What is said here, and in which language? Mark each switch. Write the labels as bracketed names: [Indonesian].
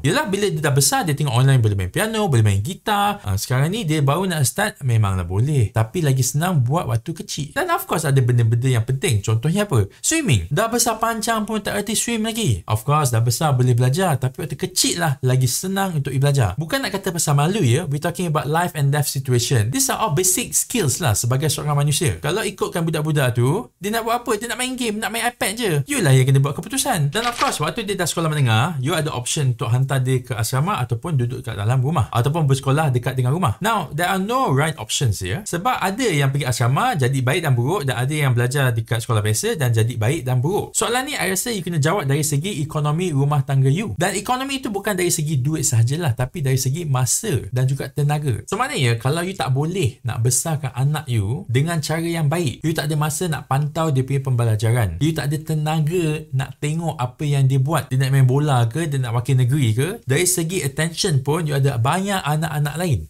[Malay] Yelah, bila dia dah besar, dia tengok online boleh main piano, boleh main gitar. Sekarang ni, dia baru nak start, memanglah boleh. Tapi lagi senang buat waktu kecil. Dan of course, ada benda-benda yang penting. Contohnya apa? Swimming. Dah besar panjang pun tak reti swim lagi. Of course, dah besar boleh belajar. Tapi waktu kecil lah, lagi senang untuk belajar. Bukan nak kata pasal malu ya. [English] We talking about life and death situation. These are all basic skills [Malay] lah sebagai seorang manusia. Kalau ikutkan budak-budak tu, dia nak buat apa? Dia nak main game, nak main iPad je. Yulah yang kena buat keputusan. Dan of course, waktu dia dah sekolah menengah, you ada option untuk hantar dia ke asrama ataupun duduk kat dalam rumah ataupun bersekolah dekat dengan rumah. [English] Now, there are no right options here. [Malay] Sebab ada yang pergi asrama jadi baik dan buruk, dan ada yang belajar dekat sekolah biasa dan jadi baik dan buruk. Soalan ni, I rasa you kena jawab dari segi ekonomi rumah tangga you. Dan ekonomi itu bukan dari segi duit sahajalah, tapi dari segi masa dan juga tenaga. So, maknanya, kalau you tak boleh nak besarkan anak you dengan cara yang baik, you tak ada masa nak pantau dia punya pembelajaran, you tak ada tenaga nak tengok apa yang dia buat, dia nak main bola ke, dia nak wakil negeri ke, dari segi attention pun, you ada banyak anak-anak lain.